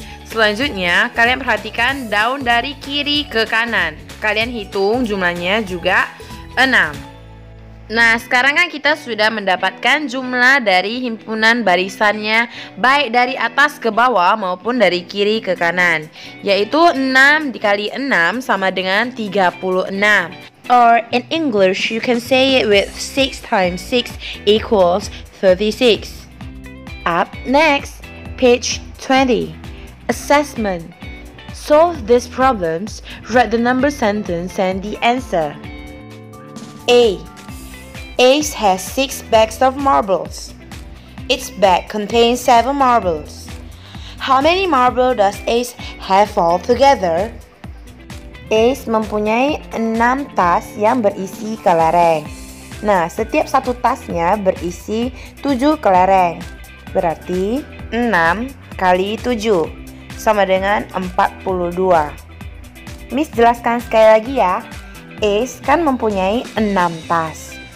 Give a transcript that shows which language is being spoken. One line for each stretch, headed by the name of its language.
Indonesian: Selanjutnya, kalian perhatikan daun dari kiri ke kanan. Kalian hitung jumlahnya juga 6. Nah, sekarang kan kita sudah mendapatkan jumlah dari himpunan barisannya, baik dari atas ke bawah maupun dari kiri ke kanan, yaitu 6 dikali 6 sama dengan 36.
English: Or in English, you can say it with 6 times 6 equals 36. Up next, page 20. Assessment. Solve these problems, write the number sentence and the answer. A. Ace has 6 bags of marbles. Its bag contains 7 marbles. How many marbles does Ace have altogether?
Indonesian: Ace mempunyai 6 tas yang berisi kelereng. Nah, setiap satu tasnya berisi 7 kelereng. Berarti 6 kali 7 sama dengan 42. Miss jelaskan sekali lagi ya. Ace kan mempunyai 6 tas.